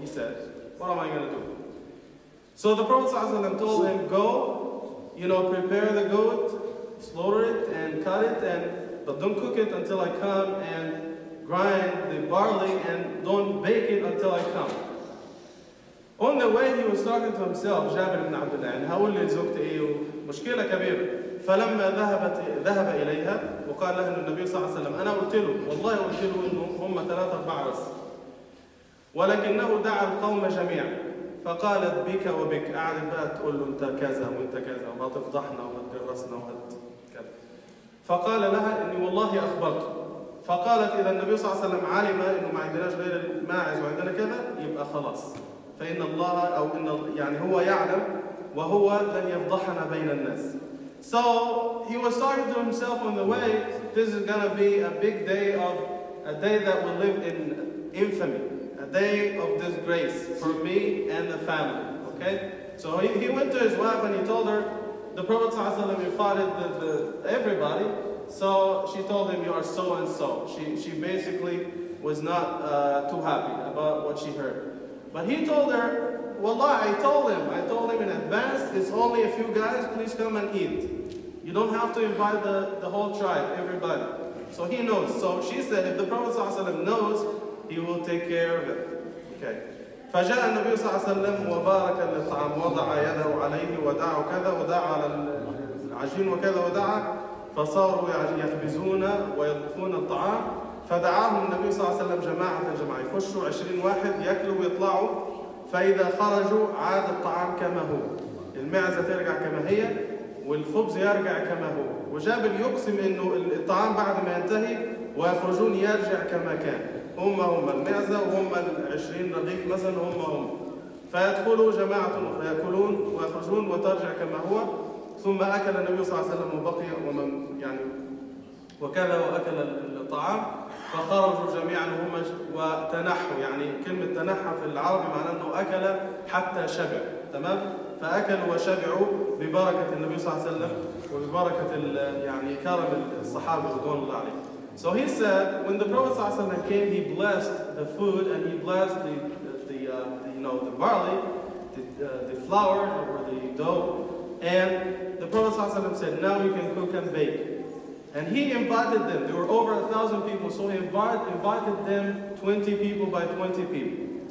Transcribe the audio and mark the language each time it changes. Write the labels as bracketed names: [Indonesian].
[English] He said, what am I going to do? So the Prophet ﷺ told him, go, you know, prepare the goat, slaughter it and cut it, and but don't cook it until I come and grind the barley and don't bake it until I come. On the way, he was talking to himself, Jabir ibn Abdullah, and [Arabic] هقول لي زوجتي ايه ومشكلة كبيرة. فلما ذهب إليها وقال له النبي صلى الله عليه وسلم أنا قلت له والله قلت له إنه هم 3 أرباع بس، ولكنه دعا القوم جميعا فقالت بك وبك. قعد بقى تقول له أنت كذا وأنت كذا وما تفضحنا وما تجرسنا وهد كذا. فقال لها إني والله أخبرته. فقالت إذا النبي صلى الله عليه وسلم علم إنه ما عندناش غير الماعز وعندنا كذا يبقى خلاص، فإن الله أو إن يعني هو يعلم وهو لن يفضحنا بين الناس. [English] So he was talking to himself on the way. This is gonna be a big day of a day that we live in infamy, a day of disgrace for me and the family. Okay. So he went to his wife and he told her the Prophet sallallahu alaihi wasallam invited the everybody. So she told him, "You are so and so." She basically was not too happy about what she heard. But he told her, "Wallah, I told him in advance, it's only a few guys, please come and eat. You don't have to invite the whole tribe, everybody." So he knows. So she said, if the Prophet sallallahu alaihi wasallam knows, he will take care of it. Okay. [Arabic] فجاء النبي صلى الله عليه وسلم وبارك للطعام وضع يده عليه ودعا كذا ودعا على العجين وكذا ودعا فصاروا يخبزون ويطبخون الطعام فدعاهم النبي صلى الله عليه وسلم جماعة جماعة يخشوا 20 واحد يأكلوا ويطلعوا فإذا خرجوا عاد الطعام كما هو المعزة ترجع كما هي والخبز يرجع كما هو وجابر يقسم إنه الطعام بعد ما ينتهي ويخرجون يرجع كما كان هم المعزة وهم 20 رغيف مثلا هم فيدخلوا جماعة يأكلون ويخرجون وترجع كما هو ثم أكل النبي صلى الله عليه وسلم وبقي ومن يعني وكذا وأكل الطعام فخرجوا جميعا هم وتنحوا يعني كلمة تنحى في العربي معناه أنه أكل حتى شبع تمام فأكلوا وشبعوا ببركة النبي صلى الله عليه وسلم وببركة يعني كرم الصحابة رضوان الله عليهم. [English] So he said, when the Prophet ﷺ came, he blessed the food and he blessed the barley, the flour or the dough. And the Prophet ﷺ said, now you can cook and bake. And he invited them. There were over 1,000 people, so he invited them 20 people by 20 people.